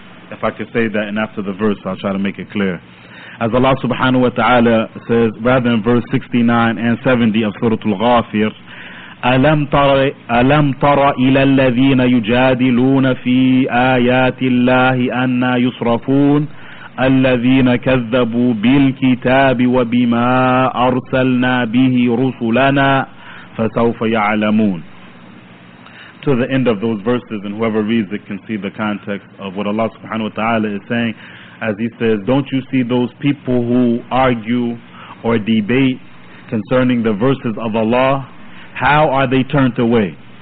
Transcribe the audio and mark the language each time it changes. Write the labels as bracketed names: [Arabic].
[English] If I could say that, and after the verse I'll try to make it clear. As Allah subhanahu wa ta'ala says, rather in verse 69 and 70 of Surah Al-Ghafir, [Arabic] أَلَمْ تَرَ إِلَى الَّذِينَ يُجَادِلُونَ فِي آيَاتِ اللَّهِ أَنَّا يُصْرَفُونَ. الذين كذبوا بالكتاب وبما أرسلنا به رسلنا فسوف يعلمون. [English] To the end of those verses, and whoever reads it can see the context of what Allah subhanahu wa ta'ala is saying, as He says, don't you see those people who argue or debate concerning the verses of Allah? How are they turned away?